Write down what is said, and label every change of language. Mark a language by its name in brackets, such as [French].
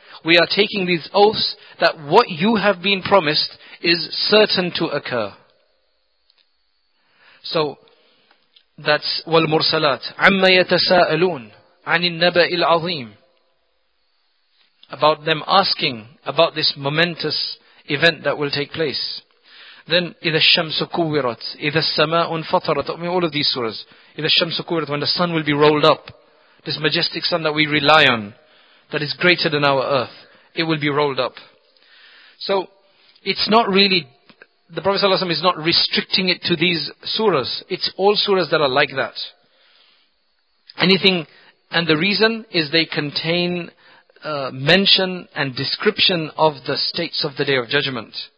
[English] We are taking these oaths that what you have been promised is certain to occur. So, that's والمرسلات. [Arabic] عَمَّ يَتَسَاءَلُونَ عَنِ النَّبَإِ الْعَظِيمِ. [English] About them asking about this momentous event that will take place. [Arabic] Then, إِذَا الشَّمْسُ كُوِّرَتْ إِذَا السَّمَاءُ انْفَطَرَتْ. [English] I mean, all of these surahs. [Arabic] إِذَا الشَّمْسُ كُوِّرَتْ. [English] When the sun will be rolled up. This majestic sun that we rely on. That is greater than our earth. It will be rolled up. So, it's not really, the Prophet ﷺ is not restricting it to these surahs. It's all surahs that are like that. Anything, and the reason is they contain mention and description of the states of the Day of Judgment.